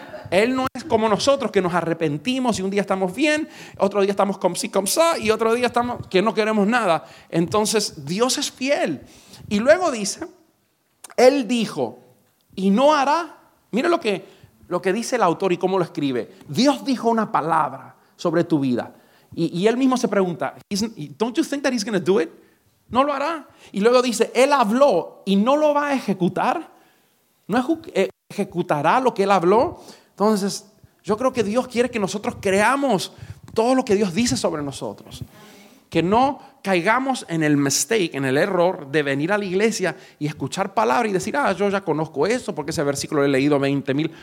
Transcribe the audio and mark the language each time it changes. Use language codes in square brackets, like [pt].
[es] Él no es como nosotros que nos arrepentimos y un día estamos bien, otro día estamos como sí, como sa, y otro día estamos que no queremos nada. Entonces, Dios es fiel. Y luego dice, Él dijo y no hará. Mira lo que dice el autor y cómo lo escribe. Dios dijo una palabra sobre tu vida. Y Él mismo se pregunta, [en] don't you think that He's going to do it? [es] No lo hará. Y luego dice, Él habló y no lo va a ejecutar. ¿No ejecutará lo que Él habló? Entonces, yo creo que Dios quiere que nosotros creamos todo lo que Dios dice sobre nosotros. Que no caigamos en el mistake, en el error de venir a la iglesia y escuchar palabra y decir, ah, yo ya conozco eso porque ese versículo lo he leído 20,000.